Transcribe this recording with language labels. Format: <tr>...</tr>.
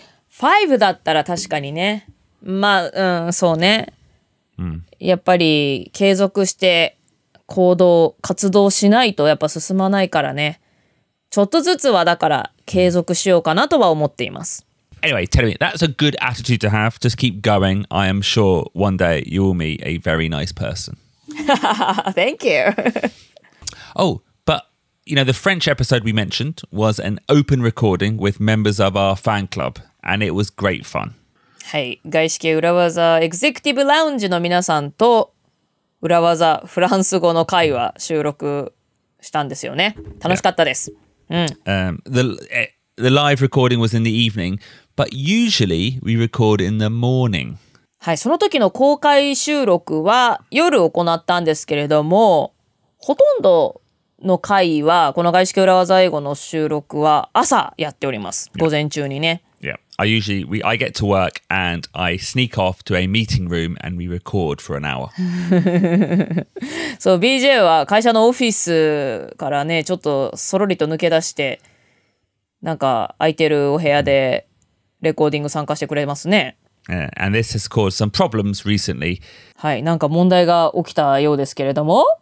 <ja>Five、うん、だったら確かにね。まあ、うん、そうね。うん、やっぱり継続して行動、活動しないとやっぱ進まないからね。ちょっとずつはだから継続しようかなとは思っています。</ja> <en>Anyway, tell me, that's a good attitude to have. Just keep going. I am sure one day you will meet a very nice person. Thank you. Oh, but, you know, the French episode we mentioned was an open recording with members of our fan club, and it was great fun.</en> <ja>はい、外資系裏技エグゼクティブラウンジの皆さんと裏技フランス語の会話収録したんですよね。楽しかったです。Yeah. うん。</ja> <en>The live recording was in the evening, but usually we record in the morning.</en> <ja>はい、その時の公開収録は夜行ったんですけれども、ほとんどの回はこの外資系裏技英語の収録は朝やっております。午前中にね。</ja> <en>Yeah. I usually I get to work and I sneak off to a meeting room and we record for an hour.</en> <ja>そう、 BJ は会社のオフィスからね、ちょっとそろりと抜け出してなんか空いてるお部屋でレコーディング参加してくれますね。</ja> <en>Yeah. And this has caused some problems recently.</en> <ja>はい、なんか問題が起きたようですけれども。</ja>